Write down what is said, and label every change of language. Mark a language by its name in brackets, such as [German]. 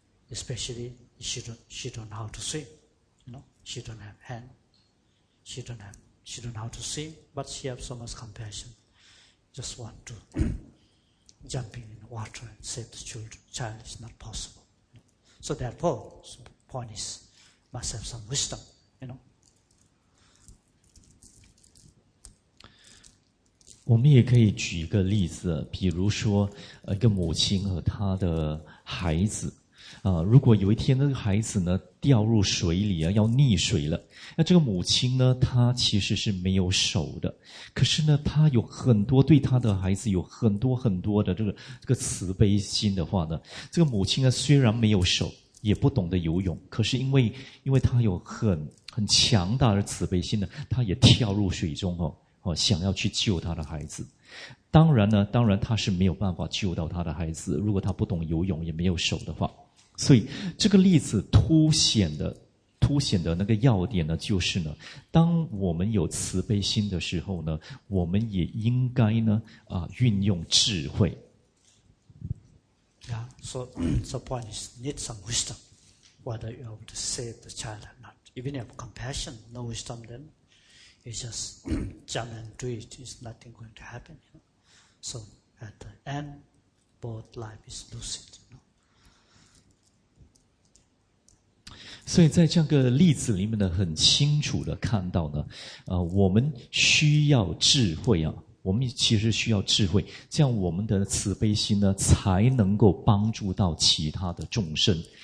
[English] especially she don't know how to swim, you know, she don't have hand, she don't know how to swim, but she have so much compassion, just want to jump in the water and save the child is not possible. So therefore, the point is, must have some wisdom, you know. [Chinese] 我们也可以举一个例子，比如说一个母亲和她的孩子，如果有一天那个孩子呢掉入水里啊，要溺水了，那这个母亲呢，她其实是没有手的，可是呢，她有很多对她的孩子有很多很多的这个慈悲心的话呢，这个母亲呢虽然没有手，也不懂得游泳，可是因为她有很强大的慈悲心呢，她也跳入水中哦。想要去救他的孩子，当然呢，当然他是没有办法救到他的孩子，如果他不懂游泳也没有手的话，所以这个例子凸显的那个要点呢，就是呢，当我们有慈悲心的时候呢，我们也应该呢运用智慧。 [English] Yeah, so the point is need some wisdom whether you have to save the child or not. Even if you have compassion, no wisdom thenIt's just jump and do it. It's nothing going to happen. You know? So at the end, both life is lucid. You know? [Chinese] 所以在这个例子里面呢，很清楚的看到呢，我们需要智慧啊，我们其实需要智慧，这样我们的慈悲心呢，才能够帮助到其他的众生。